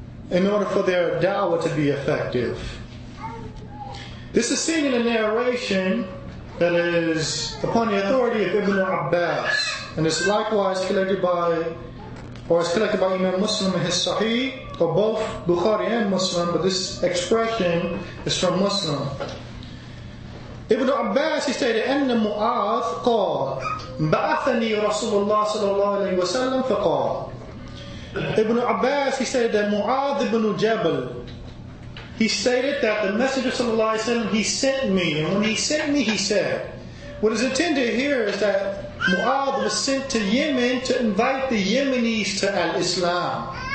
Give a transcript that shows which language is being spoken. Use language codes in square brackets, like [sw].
[en] In order for their da'wah to be effective. This is seen in a narration that is upon the authority of Ibn Abbas, and it's likewise collected by, or it's collected by Imam Muslim in his Sahih, or both Bukhari and Muslim, but this expression is from Muslim. Ibn Abbas, he stated, [ar] أَنَّ مُعَاذْ قَالَ بَعَثَنِي رَسُولُ اللَّهِ صَلَى اللَّهِ عَلَيْهِ وَسَلَّمْ فَقَالَ. [en] Ibn Abbas, he said that Mu'adh ibn Jabal, he stated that the Messenger sallallahu alaihi wasallam, he sent me, and when he sent me, he said, what is intended here is that Mu'adh was sent to Yemen to invite the Yemenis to al-Islam.